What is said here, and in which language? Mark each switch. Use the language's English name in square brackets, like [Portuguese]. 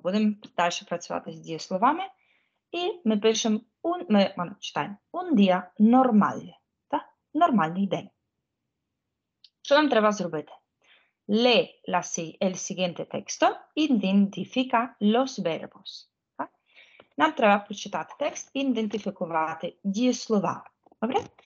[Ukrainian] Будемо далі працювати з дієсловами. І ми пишемо, читаємо, [Spanish] un día normal. [Ukrainian] Так? Нормальний день. Що нам треба зробити? [Spanish] Lee la, el siguiente texto e identifica los verbos. [Ukrainian] Ta? Нам треба прочитати текст і ідентифікувати дієслова. Добре?